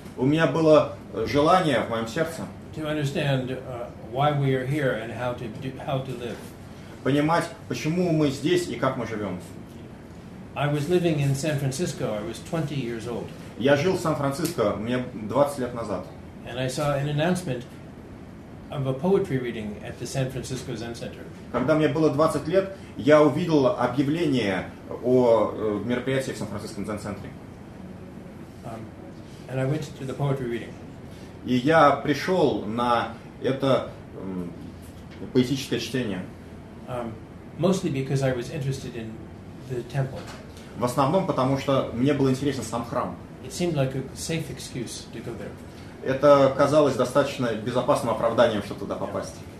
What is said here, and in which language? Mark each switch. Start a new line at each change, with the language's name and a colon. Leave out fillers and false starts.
Russian: У меня было желание в моем сердце.
English: To understand why we are here and how to live.
Russian: Понимать, почему мы здесь и как мы живем.
English: I was living in San Francisco. I was 20 years old.
Russian: Я жил в Сан-Франциско, мне 20 лет назад.
English: And I saw an announcement of a poetry reading at the San Francisco Zen Center.
Russian: Когда мне было 20 лет, я увидел объявление о мероприятии в Сан-Франциском Zen Center.
English: And I went to the poetry reading.
Russian: И я пришел на это поэтическое чтение.
English: Mostly because I was interested in the temple.
Russian: В основном потому, что мне был интересен сам храм.
English: It seemed like a safe excuse to go there.
Russian: Это казалось достаточно безопасным оправданием, чтобы туда попасть.